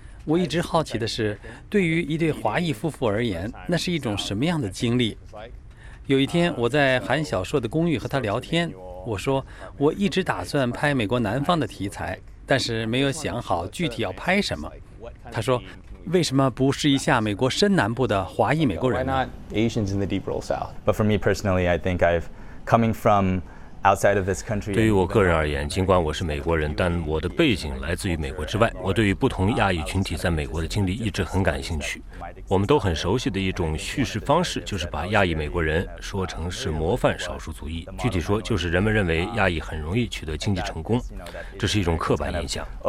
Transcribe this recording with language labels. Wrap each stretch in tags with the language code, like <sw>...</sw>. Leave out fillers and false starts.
<zh>我一直好奇的是，对于一对华裔夫妇而言，那是一种什么样的经历？有一天，我在韩小硕的公寓和他聊天，我说，我一直打算拍美国南方的题材，但是没有想好具体要拍什么。他说，为什么不试一下美国深南部的华裔美国人呢？</zh> <en>Asians in the deep rural south. But for me personally, I think I've coming from outside of this country.</en> <zh>对于我个人而言，尽管我是美国人，但我的背景来自于美国之外。我对于不同亚裔群体在美国的经历一直很感兴趣。我们都很熟悉的一种叙事方式，就是把亚裔美国人说成是模范少数族裔。具体说，就是人们认为亚裔很容易取得经济成功，这是一种刻板印象。</zh>